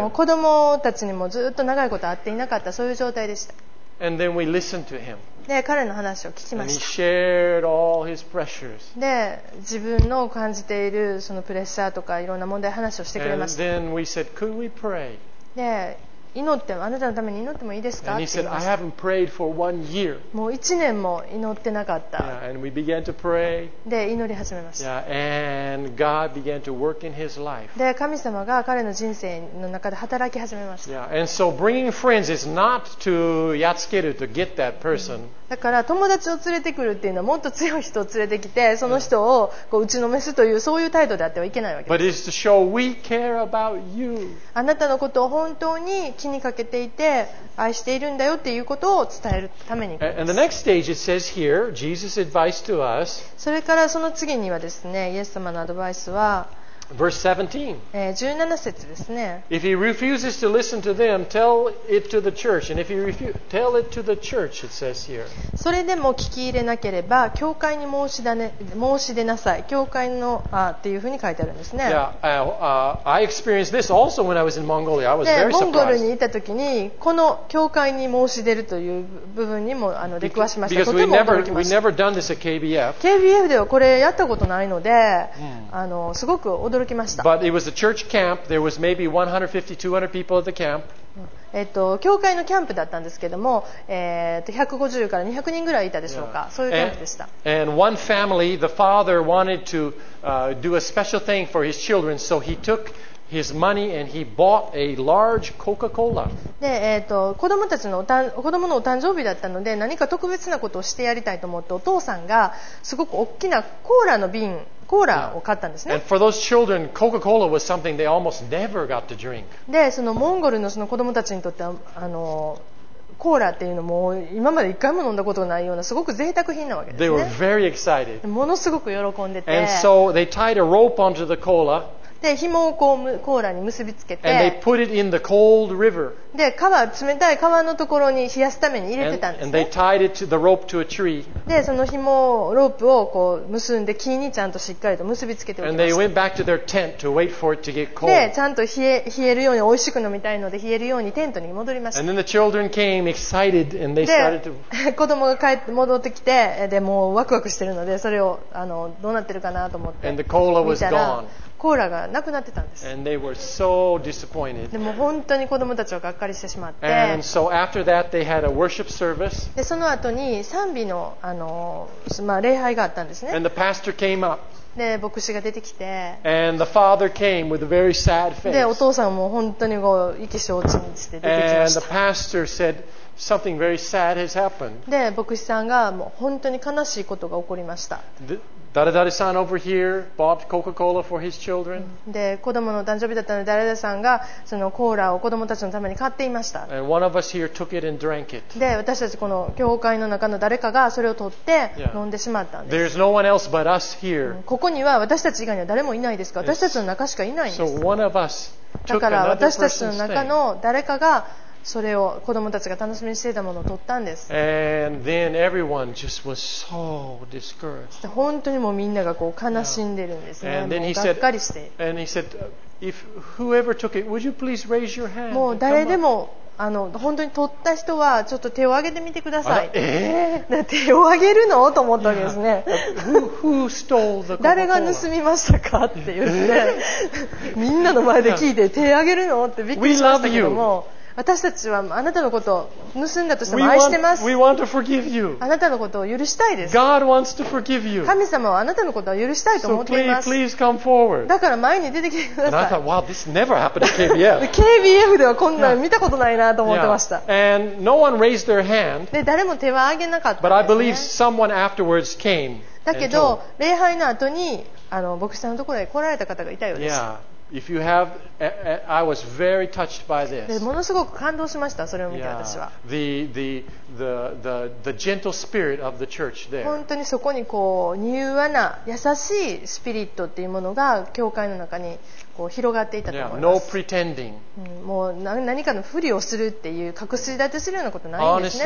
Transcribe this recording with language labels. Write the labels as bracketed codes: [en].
[ja] もう子供たちにもずっと長いこと会っていなかったそういう状態でした。 [en] And then we listened to him. [ja] で彼の話を聞きました。 [en] And he shared all his pressures. [ja] で自分の感じているそのプレッシャーとかいろんな問題話をしてくれました。 [en] And then we said, "Could we pray?" [ja] で祈ってもあなたのために祈ってもいいですか？ [en] And he said, "I haven't prayed for one year." [ja] もう1年も祈ってなかった。 [en] Yeah, and we began to pray. [ja] で祈り始めました。 [en] Yeah, and God began to work in his life. [ja] で神様が彼の人生の中で働き始めました。 [en] Yeah, and so bringing friends is not to [ja] やっつけると [en] get that person. [ja] だから友達を連れてくるっていうのはもっと強い人を連れてきてその人をこう打ちのめすというそういう態度であってはいけないわけです。 [en] But it's to show we care about you. [ja] あなたのことを本当に気にかけていて愛しているんだよっていうことを伝えるために行きます。 [en] And the next stage it says here, Jesus' advice to us. [ja] それからその次にはですね、イエス様のアドバイスは、 [en] Verse 17. [ja] 17節ですね。 [en] If he refuses to listen to them, tell it to the church. And if he refuses, tell it to the church, it says here. [ja] それでも聞き入れなければ、教会に申し出なさい。教会のっていうふうに書いてあるんですね。 [en] I experienced this also when I was in Mongolia. I was very surprised. [ja] モンゴルにいた時に、この教会に申し出るという部分にも出くわしました。 [en] Because we never done this at KBF. [ja] KBF ではこれやったことないので、すごく驚きました。 [en] But it was a church camp. There was maybe 150, 200 people at the camp. [ja] 教会のキャンプだったんですけども、150から200人ぐらいいたでしょうか。そういうキャンプでした。 [en] And one family, the father wanted to do a special thing for his children, so he took his money and he bought a large Coca-Cola. [ja] で、子供のお誕生日だったので、何か特別なことをしてやりたいと思って、お父さんがすごく大きなコーラの瓶コーラを買ったんですね。 [en] And for those children, Coca-Cola was something they almost never got to drink. [ja] で、そのモンゴルのその子供たちにとってはコーラっていうのも今まで一回も飲んだことないようなすごく贅沢品なわけですね。 [en] They were very excited. [ja] ものすごく喜んでて。 [en] And so they tied a rope onto the cola. [ja] で、紐をこうコーラに結びつけて。 [en] And they put it in the cold river. [ja] で、川冷たい川のところに冷やすために入れてたんですね。 [en] And they tied it to the rope to a tree. [ja] で、その紐ロープをこう結んで木にちゃんとしっかりと結びつけておきました。 [en] And they went back to their tent to wait for it to get cold. [ja] で、ちゃんと冷えるように美味しく飲みたいので冷えるようにテントに戻りました。 [en] And then the children came excited and they started to [ja] 子供が帰って戻ってきて、で、もうワクワクしてるので、それをどうなってるかなと思って。 [en] And the cola was gone. [ja] コーラがなくなってたんです。 [en] And they were so disappointed. [ja] でも本当に子供たちはがっかりしてしまって。 [en] And so after that they had a worship service. [ja] でその後に賛美の礼拝があったんですね。 [en] And the pastor came up. [ja] で牧師が出てきて。 [en] And the father came with a very sad face. [ja] でお父さんも本当にこう意気消沈して出てきました。 [en] And the pastor said something very sad has happened. [ja] で牧師さんがもう本当に悲しいことが起こりました。誰々さん [en] over here bought Coca-Cola for his children. [ja] で、子供の誕生日だったので、誰々さんがそのコーラを子供たちのために買っていました。 [en] And one of us here took it and drank it. [ja] で、私たちこの教会の中の誰かがそれを取って飲んでしまったんです。 [en] There's no one else but us here. [ja] ここには私たち以外には誰もいないですか。私たちの中しかいないんです。 [en] So one of us took another person's thing. [ja] だから私たちの中の誰かがそれを子供たちが楽しみにしていたものを取ったんです。 [en] And then everyone just was so discouraged. [ja] 本当にもうみんながこう悲しんでるんですね。 [en] And [ja] もうがっかりして。 [en] And he said, if whoever took it, would you please raise your hand? [ja] もう誰でも本当に取った人はちょっと手を挙げてみてください。手を挙げるの？と思ったわけですね。 [en] Who stole the Coca-Cola? [ja] 誰が盗みましたかって言って、みんなの前で聞いて手を挙げるのってびっくりしましたけども。私たちはあなたのことを盗んだとしても愛してます。 [en] We want to forgive you. [ja] あなたのことを許したいです。 [en] God wants to forgive you. [ja] 神様はあなたのことを許したいと思っています。 [en] So please come forward. [ja] だから前に出てきてください。 [en] And I thought, wow, this never happened at KBF. [ja] KBF ではこんなの見たことないなと思ってました。 [en] Yeah. Yeah. And no one raised their hand. [ja] で、誰も手は挙げなかったんです [en] ね。But I believe someone afterwards came. [ja] だけど礼拝の後に牧師さんのところへ来られた方がいたようです。 [en] Yeah. If you have, I was very touched by this. [ja] ものすごく感動しました。それを見て私は。 [en] Yeah. The gentle spirit of the church there. [ja] 本当にそこにこう柔和な優しいスピリットっていうものが教会の中にこう広がっていたと思います。 [en] Yeah. No pretending. [ja] もう何かのふりをするっていう隠し立てするようなことないんですね。